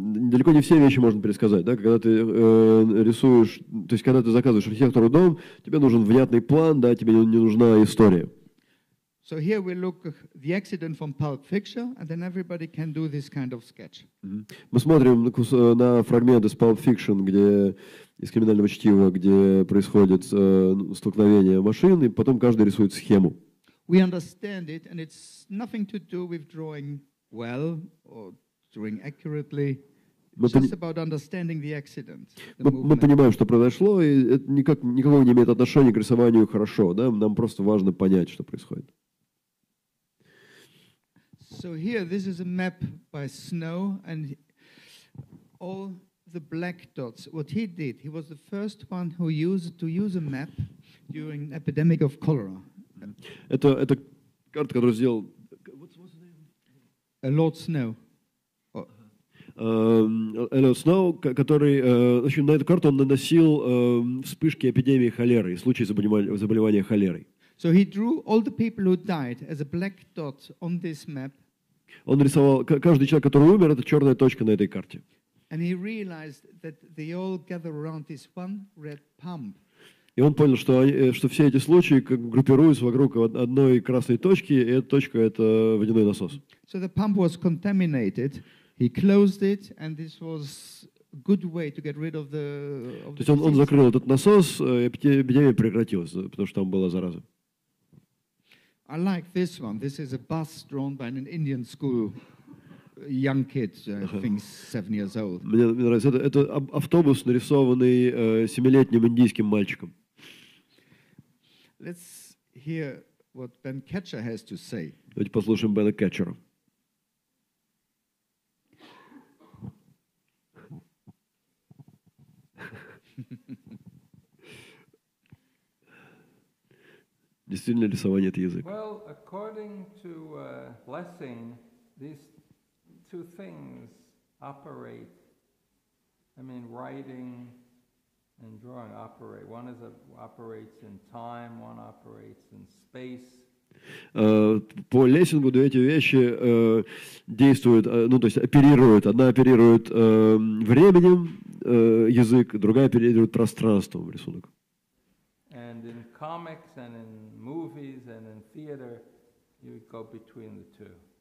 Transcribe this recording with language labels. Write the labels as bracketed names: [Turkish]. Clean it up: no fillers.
[Russian] Далеко не все вещи можно пересказать, да? Когда ты рисуешь, то есть когда ты заказываешь архитектору дом, тебе нужен внятный план, да? Тебе не нужна история. [English] So here we look at the accident from Pulp Fiction, and then everybody can do this kind of sketch. Mm-hmm. [Russian] Мы смотрим на фрагмент из Pulp Fiction, где из криминального чтива, где происходит столкновение машин, и потом каждый рисует схему. [English] We understand it, and it's nothing to do with drawing well or drawing accurately. Just about understanding the accident. [Russian] Мы понимаем, что произошло, и это никакого не имеет отношения к рисованию хорошо, да? Нам просто важно понять, что происходит. [English] So here, this is a map by Snow, and all the black dots. What he did, he was the first one who used a map during an epidemic of cholera. [Russian] Это карта, которую сделал. [English] What's the name? Lord Snow. [Russian] Эллиот Сноу, который, в общем, на эту карту он наносил вспышки эпидемии холеры, случаи заболевания холерой. [English] So he drew all the people who died as a black dot on this map. [Russian] Он рисовал каждый человек, который умер, это черная точка на этой карте. [English] And he realized that they all gather around this one red pump. [Russian] И он понял, что все эти случаи группируются вокруг одной красной точки, и эта точка – это водяной насос. [English] So the pump was contaminated. He closed it, and this was a good way to get rid of the. [Russian] То есть он закрыл этот насос, эпидемия прекратилась, потому что там была зараза. [English] I like this one. This is a bus drawn by an Indian school young kid, I think 7 years old. [Russian] Мне нравится. Это автобус, нарисованный 7-летним индийским мальчиком. [English] Let's hear what Ben Catcher has to say. [Russian] Давайте послушаем Бена Кетчера. Действительно рисование это язык? [English] Well, according to Lessing, these two things operate. I mean, writing and drawing operate. One is operates in time, one operates in space. [Russian] По Лессингу две эти вещи действуют, ну то есть оперируют. Одна оперирует временем язык, другая оперирует пространством рисунок. [English] And in comics and in movies and in theater, you go between the two.